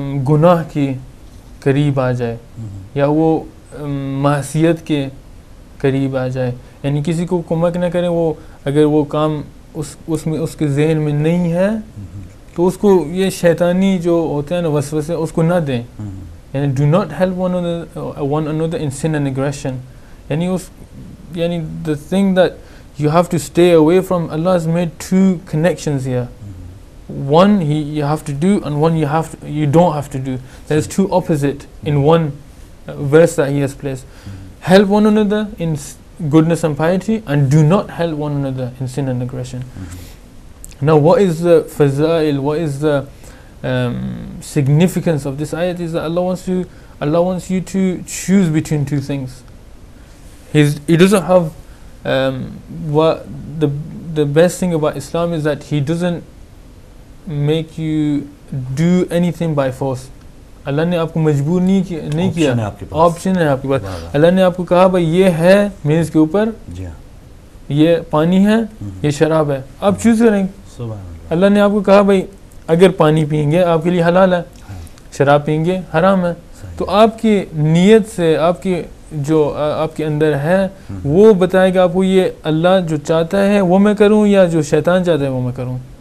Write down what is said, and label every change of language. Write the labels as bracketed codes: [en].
[hi] गुनाह के करीब आ जाए या वो मासियत के करीब आ जाए, यानी किसी को कुमक न करें वो, अगर वो काम उसमें उसके जहन में नहीं है तो उसको ये शैतानी जो होते हैं ना वसवसे, उसको ना दें, यानी [en] do not help one another in sin and aggression, [hi] यानी उस यानी [en] The thing that you have to stay away from, Allah has made two connections here, one he you have to do and one you have you don't have to do, there is two opposite in one verse that he has place, help one another in goodness and piety and do not help one another in sin and aggression. Now what is the fazail, what is the significance of this ayat, is that Allah wants you to choose between two things. He doesn't have what the best thing about Islam is that he doesn't make you do anything by force. [hi] अल्लाह ने आपको मजबूर नहीं किया, option है आपके पास, अल्लाह ने आपको कहा भाई ये है मेज के ऊपर, ये पानी है, ये शराब है, आप चूज करें। अल्लाह ने आपको कहा भाई अगर पानी पियेंगे आपके लिए हलाल है, शराब पियेंगे हराम है, तो आपकी नीयत से आपकी जो आपके अंदर है वो बताएगा आपको ये अल्लाह जो चाहता है वो मैं करूँ या जो शैतान चाहता है वो मैं करूँ।